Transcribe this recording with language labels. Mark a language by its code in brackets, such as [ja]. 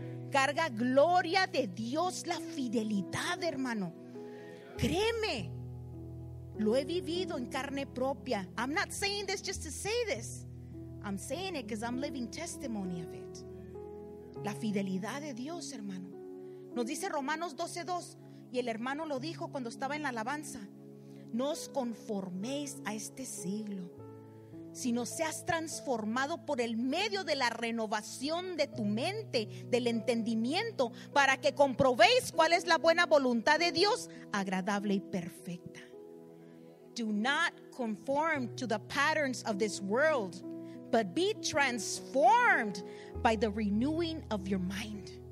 [es] Carga gloria de Dios la fidelidad, hermano. Créeme, lo he vivido en carne propia. [en] I'm not saying this just to say this. I'm saying it because I'm living testimony of it. [es] La fidelidad de Dios, hermano. Nos dice Romanos 12:2. Y el hermano lo dijo cuando estaba en la alabanza: no os conforméis a este siglo, sino seas transformado por el medio de la renovación de tu mente, del entendimiento, para que comprobéis cuál es la buena voluntad de Dios, agradable y perfecta. [en] Do not conform to the patterns of this world, but be transformed by the renewing of your mind.